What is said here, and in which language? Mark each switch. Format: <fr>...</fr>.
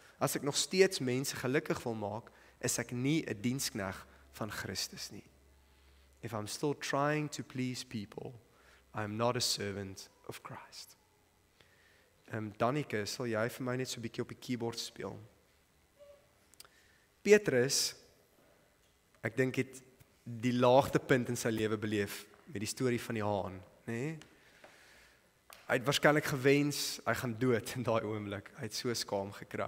<af>As ek nog steeds mense gelukkig wil maak, is ek nie 'n diensknegt van Christus nie.</af> <en>If I'm still trying to please people, I'm not a servant of Christ.</en> <af>Danieke, sal jy vir my net so 'n bietjie op die keyboard speel? Petrus, ek dink het die laagtepunt in sy lewe beleef met die story van die haan, nee? Hy het waarskynlik gewens, hy gaan dood in daai oomblik. Hy het so skaam gekry.</af>